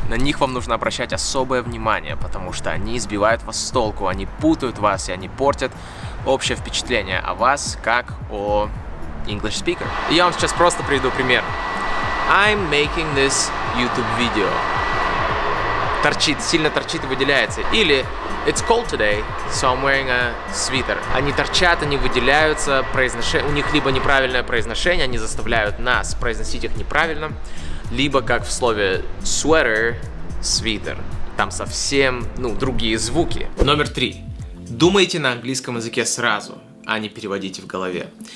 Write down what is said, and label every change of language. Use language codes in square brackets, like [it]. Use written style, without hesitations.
[ru] На них вам нужно обращать особое внимание, потому что они сбивают вас с толку, они путают вас и они портят общее впечатление о вас, как о English speaker. И я вам сейчас просто приведу пример. [en] I'm making this YouTube video. [ru] Торчит, сильно торчит и выделяется. Или [en] it's cold today, so I'm wearing a sweater. [ru] Они торчат, они выделяются, у них либо неправильное произношение, они заставляют нас произносить их неправильно, либо как в слове sweater, sweater. Там совсем, ну, другие звуки. Номер три. Думайте на английском языке сразу, а не переводите в голове.